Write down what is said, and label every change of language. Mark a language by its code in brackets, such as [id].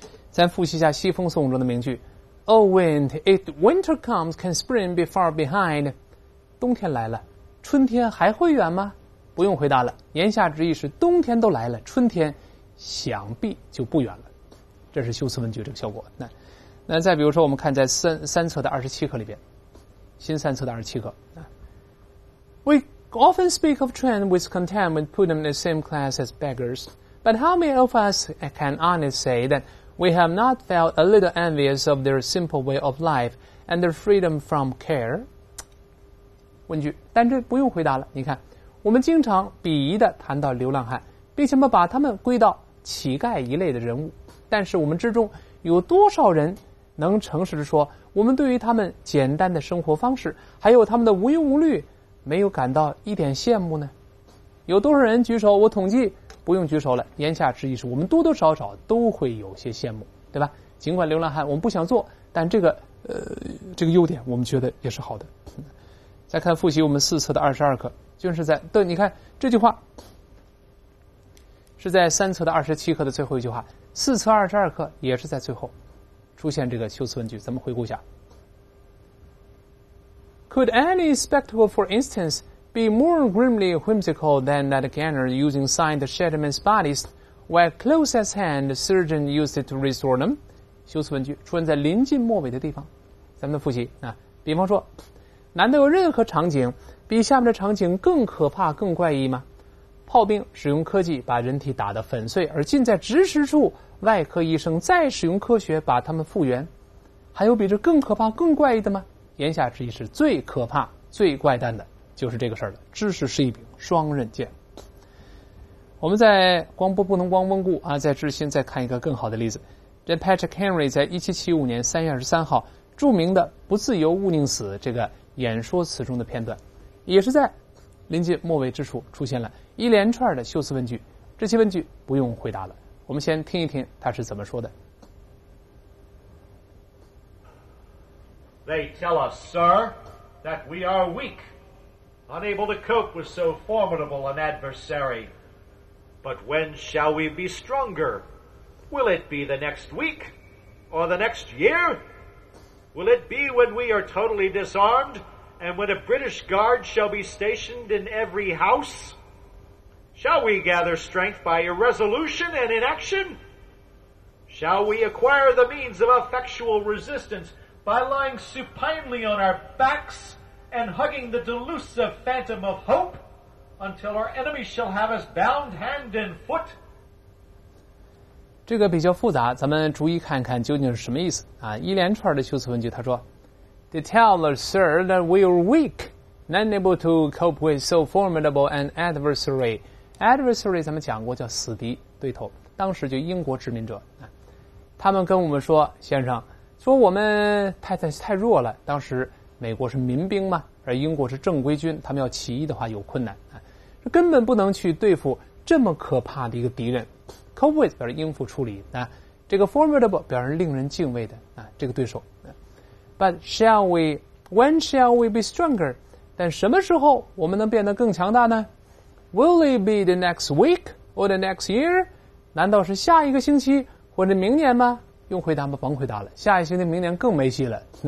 [zh] 再复习一下西风颂中的名句 [en] Oh wind, if winter comes, can spring be far behind? [zh] 冬天来了，春天还会远吗？不用回答了，言下之意是冬天都来了，春天想必就不远了，这是修辞问句这个效果。那再比如说，我们看在三册的27课里边，新三册的27课 [en] We often speak of trend with contempt and put them in the same class as beggars, but how many of us can honestly say that we have not felt a little envious of their simple way of life and their freedom from care? [zh] 问句，但这不用回答了。你看，我们经常鄙夷的谈到流浪汉，并且把他们归到乞丐一类的人物，但是我们之中有多少人能诚实地说我们对于他们简单的生活方式还有他们的无忧无虑没有感到一点羡慕呢？有多少人举手？我统计不用举手了，言下之意是我们多多少少都会有些羡慕，对吧？尽管流浪汉我们不想做，但这个优点我们觉得也是好的。再看复习我们四册的22课，就是在对，你看这句话是在三册的27课的最后一句话，4册22课也是在最后出现这个修辞问句。咱们回顾一下 [en] ：Could any spectacle, for instance, be more grimly whimsical than that Ganner using signed Shedman's bodies, while close at hand, surgeon used it to restore them？ [zh] 修辞问句出现在临近末尾的地方。咱们的复习啊，比方说，难道有任何场景比下面的场景更可怕、更怪异吗？炮兵使用科技把人体打得粉碎，而近在咫尺处，外科医生再使用科学把他们复原，还有比这更可怕、更怪异的吗？言下之意是最可怕、最怪诞的就是这个事儿了。知识是一柄双刃剑。我们在光波不能光温故啊，在知心再看一个更好的例子。这 Patrick Henry 在1775年3月23号著名的“不自由勿宁死”这个演说词中的片段，也是在临近末尾之处出现了一连串的修辞问句，这些问句不用回答了。我们先听一听他是怎么说的。 [en] They tell us, sir, that we are weak, unable to cope with so formidable an adversary. But when shall we be stronger? Will it be the next week, or the next year? Will it be when we are totally disarmed, and when a British guard shall be stationed in every house? Shall we gather strength by irresolution and inaction? Shall we acquire the means of effectual resistance by lying supinely on our backs and hugging the delusive phantom of hope until our enemy shall have us bound hand and foot? [zh] 这个比较复杂，咱们逐一看看究竟是什么意思啊？一连串的修辞问句，他说 [en] ，They tell us, sir, that we are weak, unable to cope with so formidable an adversary. [zh] Adversary 咱们讲过叫死敌对头，当时就英国殖民者，他们跟我们说，先生说我们太弱了，当时美国是民兵嘛，而英国是正规军，他们要起义的话有困难，根本不能去对付这么可怕的一个敌人。 Cope with 表示应付处理，这个 formidable 表示令人敬畏的这个对手。 [en] But shall we when shall we be stronger， [zh] 但什么时候我们能变得更强大呢？ [en] Will it be the next week or the next year? [zh] 难道是下一个星期或者明年吗？用回答吗？甭回答了，下一星期明年更没戏了。